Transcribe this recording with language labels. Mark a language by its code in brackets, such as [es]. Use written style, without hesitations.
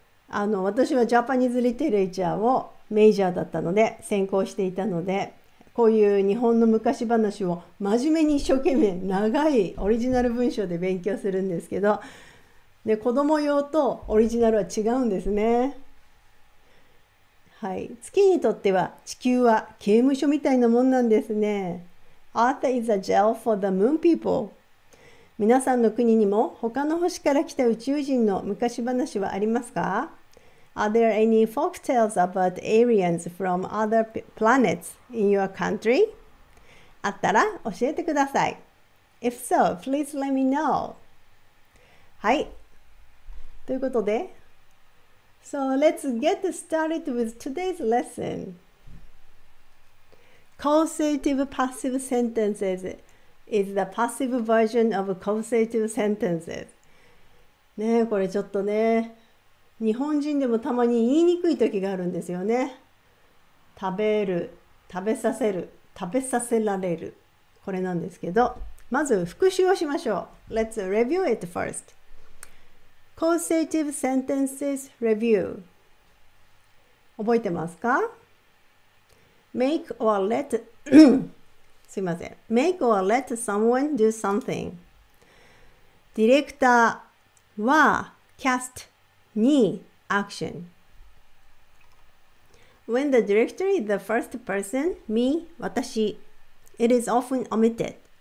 [ja] 私はジャパニーズリテレチャーをメジャーだったので、専攻していたので、こういう日本の昔話を真面目に一生懸命長いオリジナル文章で勉強するんですけど、で子供用とオリジナルは違うんですね。はい、月にとっては地球は刑務所みたいなもんなんですね。 [en] Earth is a jail for the moon people. [ja] 皆さんの国にも他の星から来た宇宙人の昔話はありますか？ [en] Are there any folk tales about aliens from other planets in your country? [ja] あったら教えてください。 [en] If so, please let me know. [ja] はい。ということで、 [en] So let's get started with today's lesson. Causative passive sentences is the passive version of causative sentences. [ja] ねえ、これちょっとね、日本人でもたまに言いにくい時があるんですよね。食べる、食べさせる、食べさせられる。これなんですけど、まず復習をしましょう。 [en] Let's review it first. Causative sentences review. [ja] 覚えてますか? [en] Make or let [ja] すいません。 [en] Make or let someone do something. [ja] ディレクターはキャストにアクション。 [en] When the director is the first person, me, 私, it is often omitted.